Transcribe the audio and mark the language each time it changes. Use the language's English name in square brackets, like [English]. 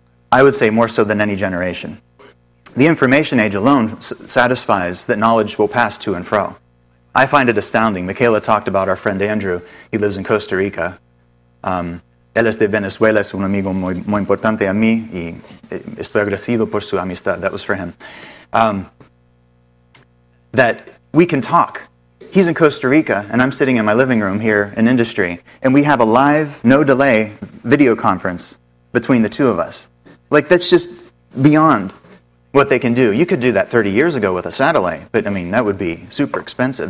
[English] I would say more so than any generation. The information age alone satisfies that knowledge will pass to and fro. I find it astounding. Michaela talked about our friend Andrew. He lives in Costa Rica. [Spanish] Él es de Venezuela, es un amigo muy, muy importante a mí, y estoy agradecido por su amistad. [English] That was for him. That we can talk. He's in Costa Rica, and I'm sitting in my living room here in industry, and we have a live, no-delay video conference between the two of us. Like, that's just beyond what they can do. You could do that 30 years ago with a satellite, but, I mean, that would be super expensive.